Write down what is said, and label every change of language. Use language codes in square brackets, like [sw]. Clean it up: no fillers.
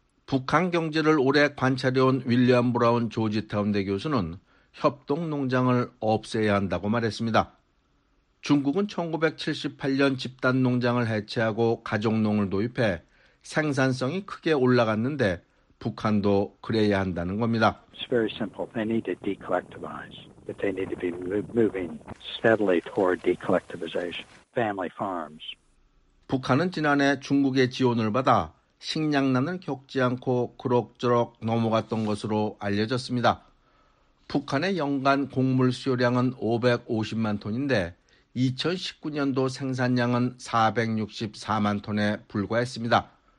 [ko] 북한 경제를 오래 관찰해온 윌리엄 브라운 조지타운 대 교수는 협동농장을 없애야 한다고 말했습니다. 중국은 1978년 집단농장을 해체하고 가정농을 도입해 생산성이 크게 올라갔는데 북한도 그래야 한다는 겁니다. [en] It's very simple. They need to decollectivize. But they need to be moving steadily toward decollectivization. Family farms. [ko] 북한은 지난해 중국의 지원을 받아 식량난을 겪지 않고 그럭저럭 넘어갔던 것으로 알려졌습니다. 북한의 연간 곡물 수요량은 550만 톤인데 2019년도 생산량은 464만 톤에 불과했습니다.